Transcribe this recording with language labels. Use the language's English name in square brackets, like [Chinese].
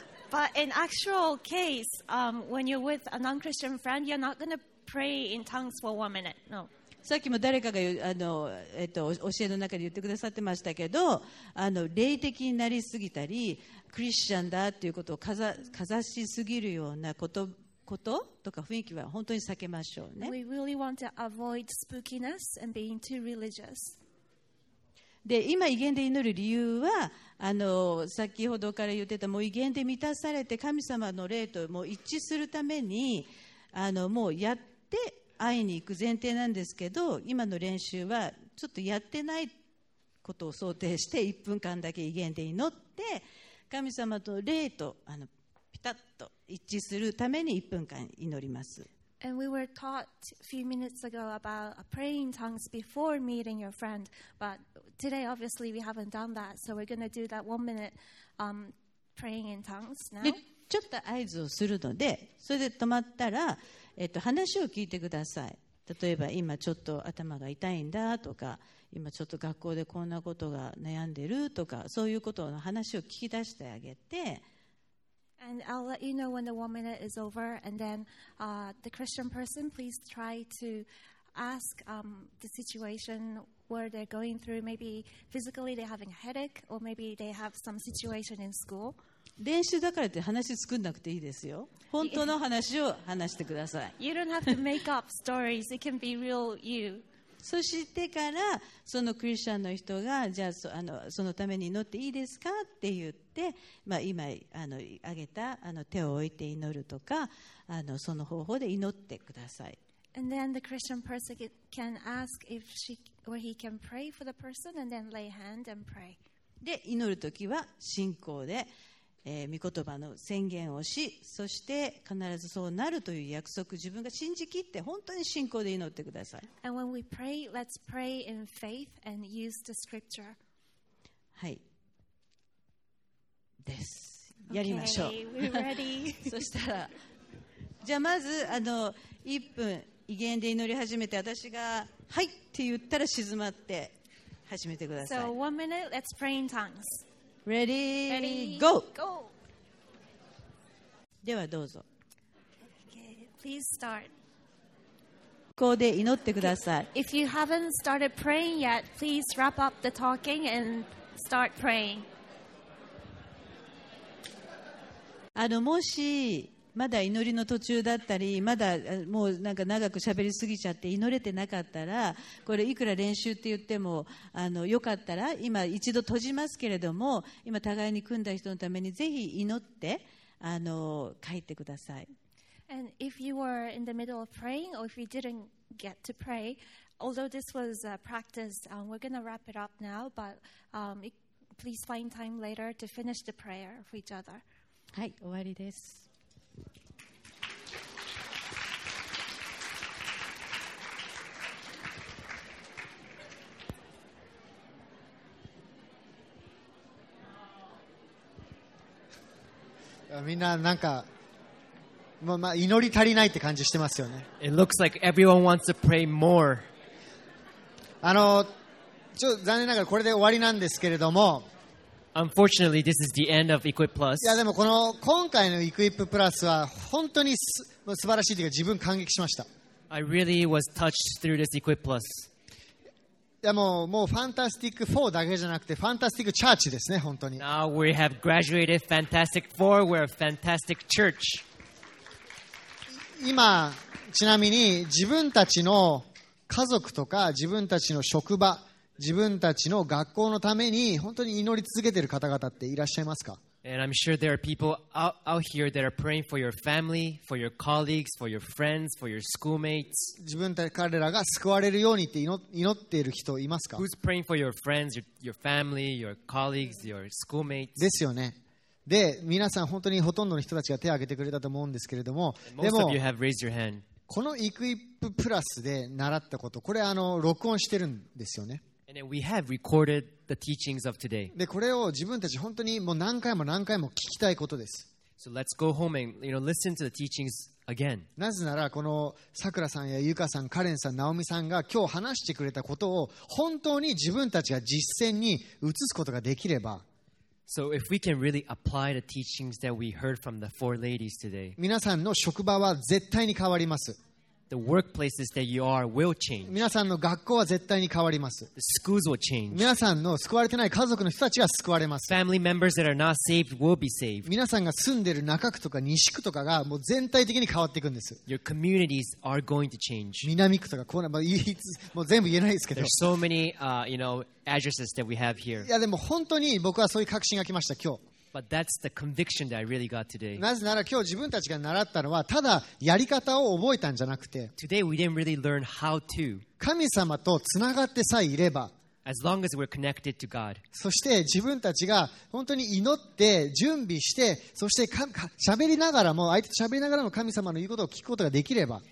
[English] But in actual case, when you're with a non-Christian friend, you're not going to pray in tongues for 1 minute. No. [Japanese] さっきも誰かが教えの中で言ってくださってましたけど、霊的になりすぎたりクリスチャンだっていうことをかざしすぎるようなこととか雰囲気は本当に避けましょうね。 [English] We really want to avoid spookiness and being too religious. [Japanese] で、今異言で祈る理由は先ほどから言ってた、もう異言で満たされて神様の霊ともう一致するためにもうやって会いに行く前提なんですけど、今の練習はちょっとやってないことを想定して1分間だけ異言で祈って神様と霊とピタッと一致するために1分間祈ります。 [English] And we were taught a few minutes ago about praying tongues before meeting your friend, but today obviously we haven't done that, so we're going to do that 1 minute praying in tongues now. [Japanese] ちょっと合図をするので、それで止まったら話を聞いてください。例えば今ちょっと頭が痛いんだとか、今ちょっと学校でこんなことが悩んでるとか、そういうことの話を聞き出してあげて、 [English] And I'll let you know when the 1 minute is over, and then the Christian person please try to ask the situation where they're going through. Maybe physically they're having a headache, or maybe they have some situation in school. [Japanese] 練習だからって話作んなくていいですよ。本当の話を話してください。 [English] You don't have to make up stories. It can be real you. [Japanese] そしてからそのクリスチャンの人が、じゃあそのために祈っていいですかって言って、まあ、今挙げた手を置いて祈るとか、その方法で祈ってください。 [English] And then the Christian person can ask if she or he can pray for the person and then lay hand and pray. [Japanese] で、祈るときは信仰で御言葉の宣言をし、そして必ずそうなるという約束、自分が信じきって本当に信仰で祈ってください。 [English] And when we pray, let's pray in faith and use the scripture. [Japanese] はいです。やりましょう。 [English] Okay, we're ready. [Japanese] そしたらじゃあまず1分異言で祈り始めて、私がはいって言ったら静まって始めてください。 [English] So 1 minute, let's pray in tongues. Ready, Ready, go! go. [Japanese] ではどうぞ。 [English] Okay, please start. [Japanese] ここで祈ってください。 [English] Okay. If you haven't started praying yet, please wrap up the talking and start praying. [Japanese] もしまだ祈りの途中だったり、まだもうなんか長く喋りすぎちゃって祈れてなかったら、これいくら練習って言ってもよかったら今一度閉じますけれども、今互いに組んだ人のためにぜひ祈って帰ってください。 [English] And if you were in the middle of praying or if you didn't get to pray, although this was a practice, we're going to wrap it up now, but please find time later to finish the prayer for each other. [Japanese] はい、終わりです。みんななんか、まあ、祈り足りないって感じしてますよね。 [English] It looks like everyone wants to pray more. [Japanese] ちょっと残念ながらこれで終わりなんですけれども。 [English] Unfortunately, this is the end of Equip Plus. [Japanese] いやでもこの今回の Equip Plus は本当に素晴らしいというか自分感激しました。 [English] I really was touched through this Equip Plus. [Japanese] いやもうファンタスティック4だけじゃなくてファンタスティックチャーチですね、本当に。 [English] Now we have graduated Fantastic Four. We're a fantastic church. [Japanese] 今ちなみに自分たちの家族とか自分たちの職場、自分たちの学校のために本当に祈り続けている方々っていらっしゃいますか？ [English] And I'm sure there are people out here that are praying for your family, for your colleagues, for your friends, for your schoolmates. [Japanese] 自分たち彼らが救われるようにって祈っている人いますか？ [English] Who's praying for your friends, your family, your colleagues, your schoolmates? [Japanese] ですよね。で、皆さん本当にほとんどの人たちが手を挙げてくれたと思うんですけれども、でも、 [English] Most of you have raised your hand. [Japanese] このイクイッププラスで習ったこと、これ録音してるんですよね。 [English] And we have recorded the teachings of today. [Japanese] で、これを自分たち本当にもう何回も何回も聞きたいことです。 [English] So let's go home and, you know, listen to the teachings again. [Japanese] なぜならこのさくらさんやゆかさん、カレンさん、ナオミさんが今日話してくれたことを本当に自分たちが実践に移すことができれば、 [English] So if we can really apply the teachings that we heard from the four ladies today, [Japanese] 皆さんの職場は絶対に変わります。 [English] The workplaces that you are will change. [Japanese] 皆さんの学校は絶対に変わります。 [English] The schools will change. [Japanese] 皆さんの救われてない家族の人たちは救われます。 [English] Family members that are not saved will be saved. [Japanese] 皆さんが住んでる中区とか西区とかがもう全体的に変わっていくんです。 [English] Your communities are going to change. [Japanese] 南区とかこうな、まあ、もう全部言えないですけど。 [English] There's so many, you know, addresses that we have here. [Japanese] いやでも本当に僕はそういう確信が来ました今日。 [English] But that's the conviction that I really got today. [Japanese] なぜなら今日自分たちが習ったのはただやり方を覚えたんじゃなくて、 [English] Today we didn't really learn how to. [Japanese] 神様とつながってさえいれば、 [English] As long as we're connected to God. [Japanese] そして自分たちが本当に祈って準備して、そして喋りながらも相手と喋りながらも神様の言うことを聞くことができれば、